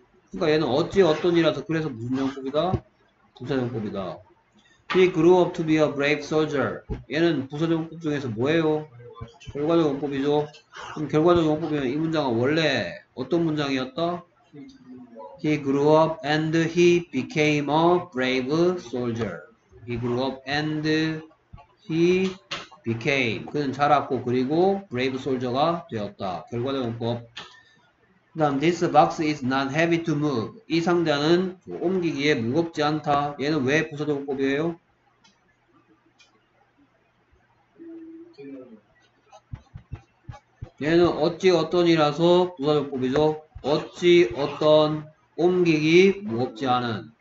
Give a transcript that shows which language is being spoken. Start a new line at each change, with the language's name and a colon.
Korean: 그러니까 얘는 어찌 어떤이라서 그래서 무슨 형법이다? 부사형법이다.
English: He grew up to be a brave soldier.
Korean: 얘는 부사형법 중에서 뭐예요? 결과적 용법이죠. 그럼 결과적 용법이면 이 문장은 원래 어떤 문장이었다?
English: He grew up and he became a brave soldier. He grew up and he became.
Korean: 그는 자랐고 그리고 brave soldier가 되었다. 결과적 용법.
English: 그다음 this box is not heavy to move.
Korean: 이 상자는 옮기기에 무겁지 않다. 얘는 왜 부사적 용법이에요? 얘는 어찌 어떤이라서 부사적법이죠. 어찌 어떤 옮기기 무겁지 않은.